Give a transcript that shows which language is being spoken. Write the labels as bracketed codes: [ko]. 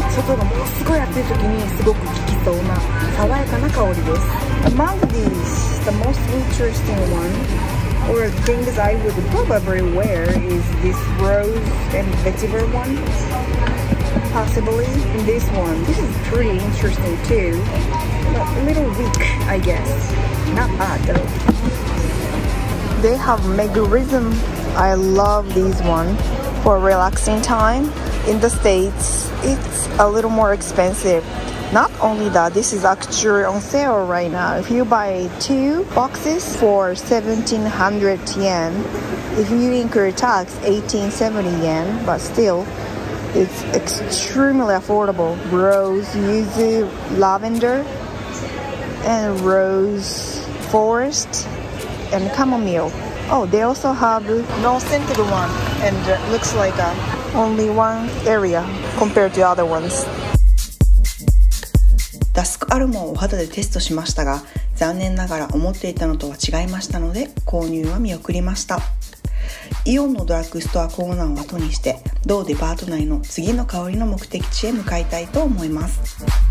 [ja] 外がもうすごい暑い時にすごく効きそうな爽やかな香りです。 [en] Among these, the most interesting one,or things I would probably wear is this rose and vetiver one, possibly. And this one, this is pretty interesting too, but a little weak, I guess. Not bad though. They have mega rhythm. I love these one for relaxing time. In the States, it's a little more expensive. Not only that, this is actually on sale right now. If you buy two boxes for 1700 yen, if you incur tax, 1870 yen, but still, it's extremely affordable. Rose, yuzu, lavender, and rose forest, and chamomile. Oh, they also have no scented one, and looks like only one area compared to other ones. [ja] ダスクアロマをお肌でテストしましたが、残念ながら思っていたのとは違いましたので、購入は見送りました。イオンのドラッグストアコーナーを後にして、同デパート内の次の香りの目的地へ向かいたいと思います。